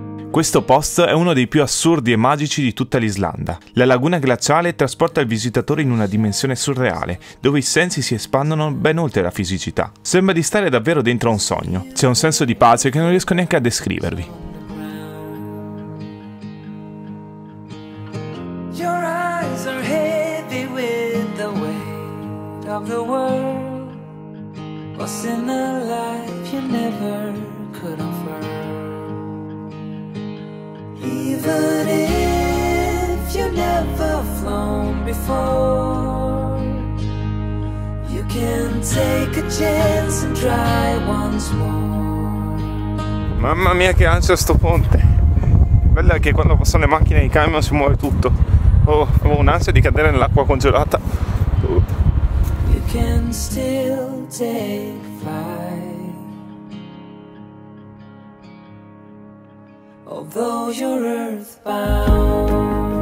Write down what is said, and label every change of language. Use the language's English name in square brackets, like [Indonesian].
[Italian] Questo posto è uno dei più assurdi e magici di tutta l'Islanda. La laguna glaciale trasporta il visitatore in una dimensione surreale, dove i sensi si espandono ben oltre la fisicità. Sembra di stare davvero dentro un sogno. C'è un senso di pace che non riesco neanche a descrivervi. [English] Your eyes are heavy with the weight of the world. What's in a life you never could offer? Even if you've never flown before, you can take a chance and try once more. [Italian] Mamma mia, che ansia sto ponte! Bella che quando passano le macchine e i camion si muove tutto. Avevo un'ansia di cadere nell'acqua congelata. [English] You can still take flight, although you're earthbound.